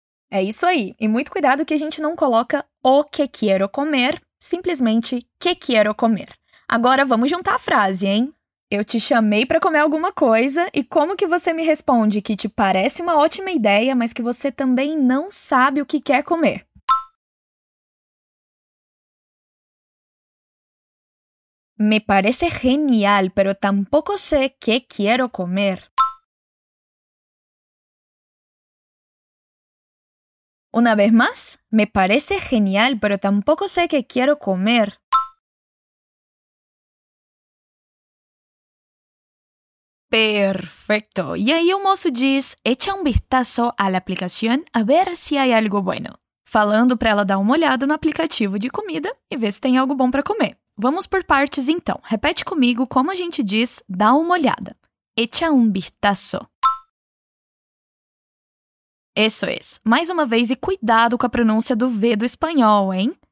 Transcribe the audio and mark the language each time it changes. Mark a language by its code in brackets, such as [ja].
[pt] É isso aí. E muito cuidado que a gente não coloca o que quiero comer, simplesmente [es] ¿qué quiero comer? [pt] Agora vamos juntar a frase, hein? Eu te chamei para comer alguma coisa e como que você me responde que te parece uma ótima ideia, mas que você também não sabe o que quer comer? [es] Me parece genial, pero tampoco sé qué quiero comer. Una vez más, me parece genial, pero tampoco sé qué quiero comer. Perfecto. Y ahí el mozo dice, echa un vistazo a la aplicación a ver si hay algo bueno. [pt] Falando para ela dar uma olhada no aplicativo de comida e ver se tem algo bom para comer. Vamos por partes então. Repete comigo como a gente diz, dá uma olhada. [es] Echa un vistazo. [pt] Isso é. Mais uma vez e cuidado com a pronúncia do V do espanhol, hein?